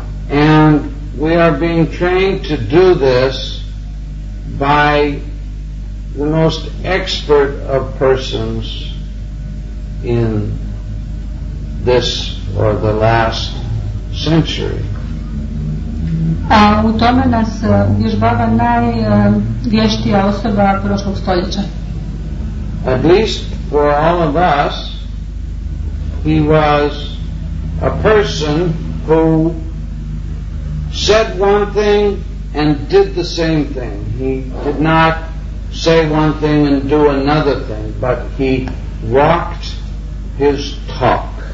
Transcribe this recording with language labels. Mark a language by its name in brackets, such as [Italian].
[English] And we are being trained to do this by the most expert of persons in this or the last century. [Croatian] A u tome nas vježbava najvještija osoba prošlog stoljeća. [English] At least for all of us, he was a person who said one thing and did the same thing. He did not say one thing and do another thing, but he walked his talk.